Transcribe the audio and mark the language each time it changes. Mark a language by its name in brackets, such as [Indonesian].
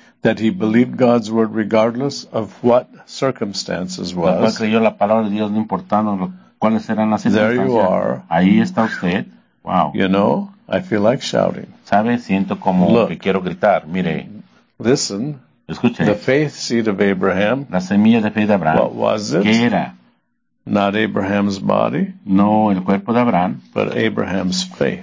[English] that he believed God's word regardless of what circumstances was. [Spanish] La cual creyó la palabra de Dios no importando cuáles eran las circunstancias. [English] There you are. [Spanish] Ahí está usted. Wow. [English] You know, I feel like shouting. [Spanish] ¿Sabe? Siento como [English] look, [Spanish] que quiero gritar. Mire. [English] Listen. [Spanish] Escuche. [English] The faith seed of Abraham, [Spanish] la semilla de fe de Abraham, [English] what was it? [Spanish] ¿Qué era? [English] Not Abraham's body. [Spanish] No, el cuerpo de Abraham. [English] But Abraham's faith.